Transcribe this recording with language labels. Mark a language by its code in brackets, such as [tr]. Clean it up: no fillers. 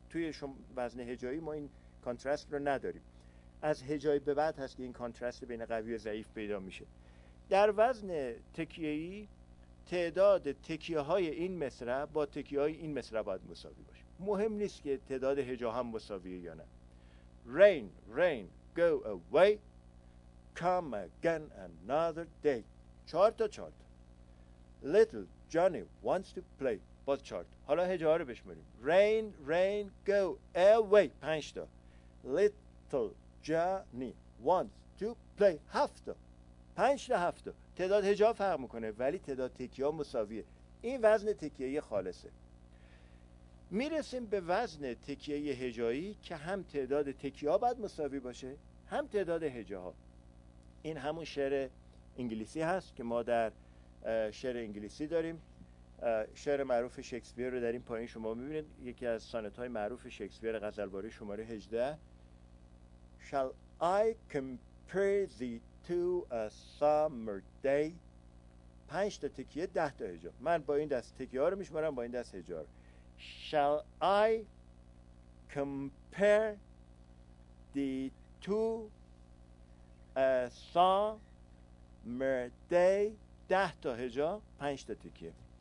[fa] توی وزن هجایی ما این کانترست رو نداریم، از هجایی به بعد هست که این کانترست بین قوی و ضعیف پیدا میشه. در وزن تکیه‌ای تعداد تکیه‌های این مصرع با تکیه‌های این مصرع باید مساوی باشه، مهم نیست که تعداد هجا هم مساویه یا نه. [en] Rain, rain, go away, come again another day. [fa] چهار تا چهار تا. [en] Little Johnny wants to play. [fa] باز چهار تا. حالا هجاها رو بشمریم. [en] Rain, rain, go away. [fa] پنج تا. [en] Little Johnny wants to play. [fa] هفت تا. پنج تا هفت تا. تعداد هجا فرق میکنه ولی تعداد تکیه ها مساویه. این وزن تکیه یه خالصه. میرسیم به وزن تکیه هجایی که هم تعداد تکیه ها باید مساوی باشه هم تعداد هجاها. این همون شعر انگلیسی هست که ما در شعر انگلیسی داریم. شعر معروف شکسپیر رو در این پایین شما میبینید، یکی از سانت های معروف شکسپیر غزلباری شماره 18. [en] Shall I compare thee to a summer day؟ [fa] پنج تا تکیه ده تا هجا. من با این دست تکیه ها رو میشمارم، با این دست هجا رو. [en] Shall I compare thee to a summer day؟ [fa] ده تا هجا پنج تا تکیه.